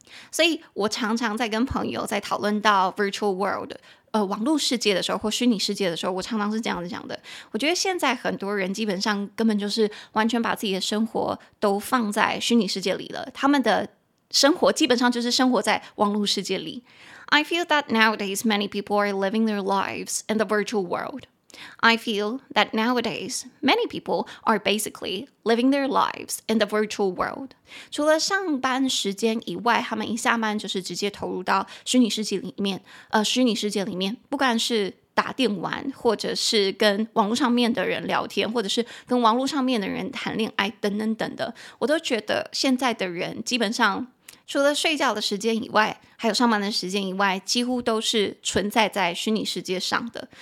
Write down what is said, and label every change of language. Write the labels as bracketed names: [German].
[Chinese] 所以我常常在跟朋友在讨论到 virtual world 网络世界的时候或虚拟世界的时候，我常常是这样子讲的，我觉得现在很多人基本上根本就是完全把自己的生活都放在虚拟世界里了，他们的生活基本上就是生活在网络世界里。 [English] I feel that nowadays many people are living their lives in the virtual world. I feel that nowadays many people are basically living their lives in the virtual world. [Chinese] 除了上班时间以外，他们一下班就是直接投入到虚拟世界里面，虚拟世界里面，不管是打电玩，或者是跟网络上面的人聊天，或者是跟网络上面的人谈恋爱等等等的，我都觉得现在的人基本上除了睡觉的时间以外，还有上班的时间以外，几乎都是存在在虚拟世界上的。